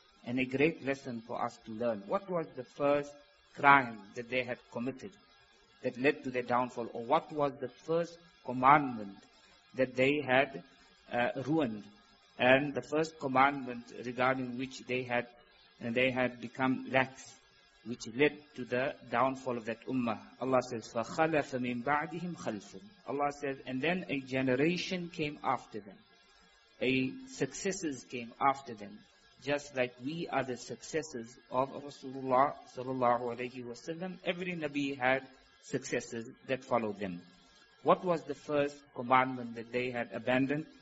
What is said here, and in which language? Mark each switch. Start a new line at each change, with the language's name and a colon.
English: And a great lesson for us to learn. What was the first crime that they had committed that led to their downfall? Or what was the first commandment that they had ruined? And the first commandment regarding which they had become lax, which led to the downfall of that ummah. Allah says,
Arabic: فَخَلَفَ مِن بَعْدِهِمْ خَلْفٌ.
English: Allah says, and then a generation came after them. A successors came after them. Just like we are the successors of Rasulullah sallallahu alayhi wa sallam. Every Nabi had successors that followed them. What was the first commandment that they had abandoned?